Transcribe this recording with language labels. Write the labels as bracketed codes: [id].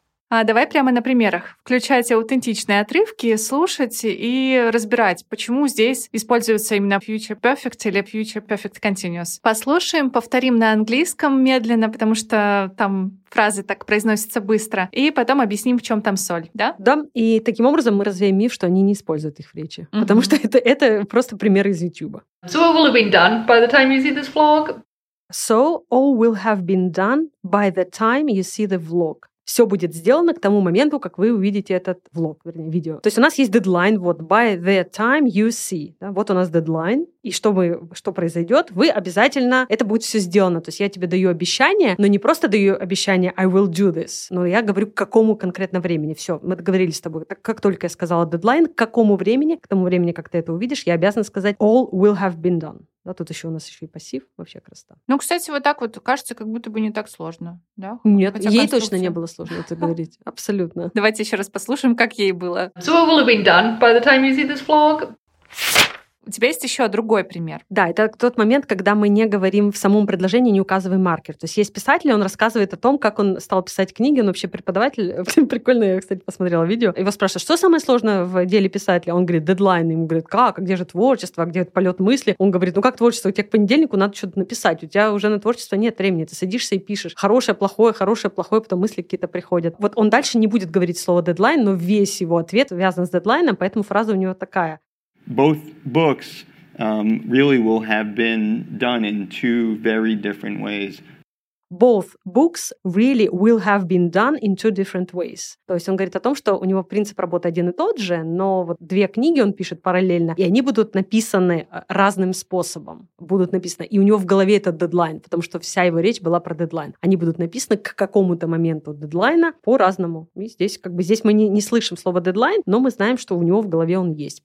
[ru] А давай прямо на примерах. Включать аутентичные отрывки, слушать и разбирать, почему здесь используется именно Future Perfect или Future Perfect Continuous. Послушаем, повторим на английском медленно, потому что там фразы так произносятся быстро. И потом объясним, в чем там соль, да? Да, и таким образом мы развеем миф, что они не используют их в речи. Mm-hmm. Потому что это просто пример из YouTube. [en] So what will have been done by the time you see this vlog? So all will have been done by the time you see the vlog. [ru] Все будет сделано к тому моменту, как вы увидите этот влог, вернее, видео. То есть у нас есть дедлайн, вот, [en] by the time you see. [ru] Да, вот у нас дедлайн. И что произойдет, вы обязательно, это будет все сделано. То есть я тебе даю обещание, но не просто даю обещание [en] I will do this, [ru] но я говорю, к какому конкретно времени. Все, мы договорились с тобой. Так как только я сказала дедлайн, к какому времени, к тому времени, как ты это увидишь, я обязана сказать [en] all will have been done. [ru] Да, тут еще у нас еще и пассив, вообще красота. Ну, кстати, вот так вот кажется, как будто бы не так сложно, да? Нет, хотя ей точно не было сложно это говорить, абсолютно. Давайте еще раз послушаем, как ей было. [en] So it will have been done by the time you see this vlog. [ru] У тебя есть еще другой пример. Да, это тот момент, когда мы не говорим в самом предложении, не указываем маркер. То есть есть писатель, он рассказывает о том, как он стал писать книги, он вообще преподаватель. Прикольно, я, кстати, посмотрела видео. Его спрашивают, что самое сложное в деле писателя? Он говорит, дедлайн. Ему говорит, как? А где же творчество? А где полет мысли? Он говорит, ну как творчество? У тебя к понедельнику надо что-то написать. У тебя уже на творчество нет времени. Ты садишься и пишешь. Хорошее, плохое, потом мысли какие-то приходят. Вот он дальше не будет говорить слово дедлайн, но весь его ответ связан с дедлайном, поэтому фраза у него такая. [en] Both books really will have been done in two very different ways. Both books really will have been done in two different ways. [ru] То есть он говорит о том, что у него принцип работы один и тот же, но вот две книги он пишет параллельно, и они будут написаны разным способом. Будут написаны, и у него в голове этот дедлайн, потому что вся его речь была про дедлайн. Они будут написаны к какому-то моменту дедлайна по-разному. И здесь как бы здесь мы не слышим слово дедлайн, но мы знаем, что у него в голове он есть.